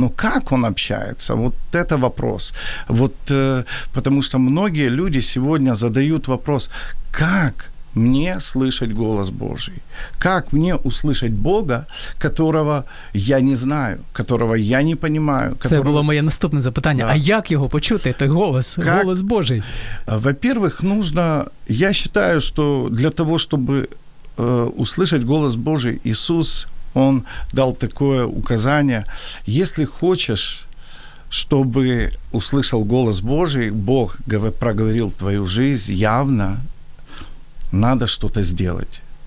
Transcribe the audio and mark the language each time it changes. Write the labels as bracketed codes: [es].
[ru] Но как Он общается? Вот это вопрос. Вот, потому что многие люди сегодня задают вопрос, как мне слышать голос Божий? Как мне услышать Бога, которого я не знаю, которого я не понимаю? Которого... [uk] Це було моє наступне запитання. Да. А як його почути, той голос, [ru] как... [uk] голос Божий? [ru] Во-первых, нужно... Я считаю, что для того, чтобы услышать голос Божий, Иисус, Он дал такое указание. Если хочешь, чтобы услышал голос Божий, Бог проговорил твою жизнь явно, надо что-то сделать.